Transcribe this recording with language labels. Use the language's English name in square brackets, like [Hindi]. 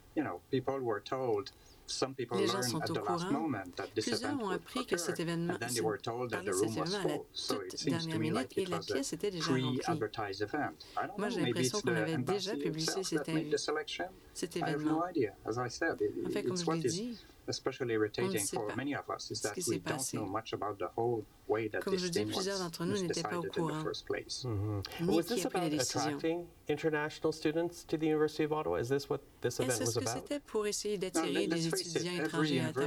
[French] Les gens sont au courant. Plusieurs ont appris que cet événement à la toute dernière minute et la pièce était déjà remplie. Moi, j'ai l'impression qu'on avait déjà publié cet événement. En fait, comme je l'ai dit, [English] especially irritating for many of us is that we don't know much about the whole way that [French] comme [English] this thing was decided [French] pas au [English] in the first place. Mm-hmm. Was this about attracting international students to the University of Ottawa? Is this what this event was about? [French] C'était pour essayer d'attirer des étudiants étrangers à Ottawa.